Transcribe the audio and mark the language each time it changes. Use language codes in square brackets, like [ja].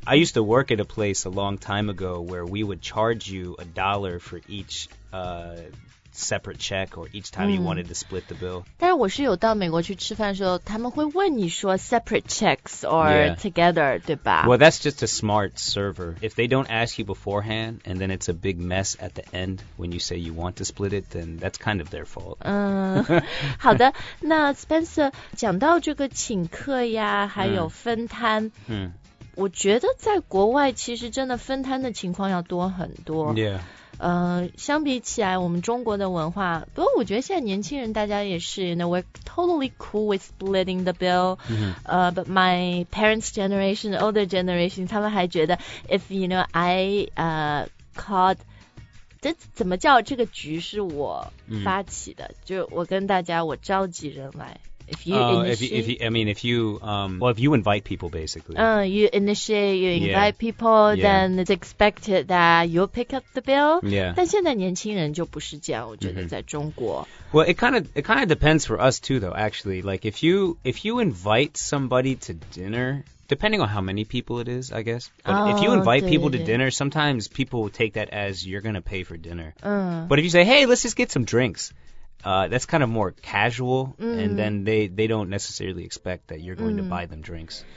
[en] I used to work at a place a long time ago where we would charge you a dollar for each separate check or each time you wanted to split the bill. [zh] 但是我是有到美国去吃饭的时候他们会问你说 [en] separate checks or together, [zh] 对吧 [en] Well, that's just a smart server. If they don't ask you beforehand and then it's a big mess at the end when you say you want to split it, then that's kind of their fault. [zh] 好的那 Spencer, 讲到这个请客呀还有分摊我觉得在国外其实真的分摊的情况要多很多 [en] Yeah. [zh] 相比起来我们中国的文化不过我觉得现在年轻人大家也是 [en] you know, we're totally cool with splitting the bill、 but my parents generation older generation [zh] 他们还觉得 [en] if you know I called [zh] 这怎么叫这个局是我发起的、就我跟大家我召集人来 [en] If you invite people, basically. You initiate, you invite people, then it's expected that you'll pick up the bill. Yeah. [zh] 但现在年轻人就不是这样，我觉得在中国。 [en] Well, it kind of depends for us too, though. Actually, like if you invite somebody to dinner, depending on how many people it is, I guess. But if you invite 对 people to dinner, sometimes people will take that as you're gonna pay for dinner. [zh] 嗯。 [en] But if you say, hey, let's just get some drinks. That's kind of more casual, and then they don't necessarily expect that you're going to buy them drinks.